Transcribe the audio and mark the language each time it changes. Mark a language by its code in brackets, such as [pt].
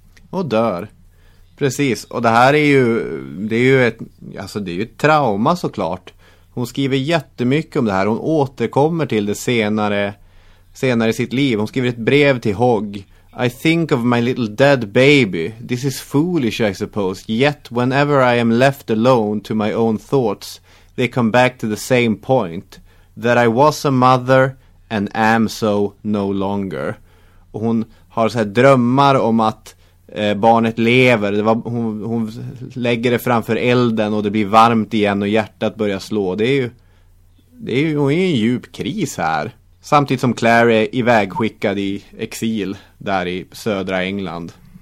[sv] Och dör. Precis. Och det här är ju, det är ju ett trauma såklart. Hon skriver jättemycket om det här. Hon återkommer till det senare i sitt liv. Hon skriver ett brev till Hogg. [en] I think of my little dead baby. This is foolish, I suppose. Yet whenever I am left alone to my own thoughts, they come back to the same point. That I was a mother and am so no longer. [sv] Och hon har så här drömmar om att barnet lever. Hon lägger det framför elden och det blir varmt igen och hjärtat börjar slå. Det är ju en djup kris här. Samtidigt som Claire är ivägskickad i exil där i södra England.